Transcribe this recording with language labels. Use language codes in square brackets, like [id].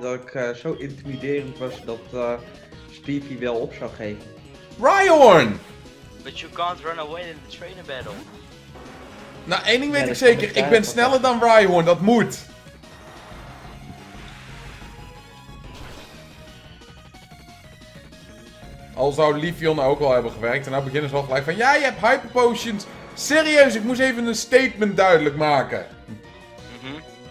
[nl] Dat ik zo intimiderend was dat Stevie wel op zou geven. Rhyhorn! [en] But you can't run away in the trainer battle. [nl] Nou, één ding weet ik zeker. Ik ben sneller dan Rhyhorn, dat moet. Al zou Leafeon ook al hebben gewerkt. En nou beginnen ze al gelijk van, ja, je hebt Hyper Potions. Serieus, ik moest even een statement duidelijk maken. Mm-hmm.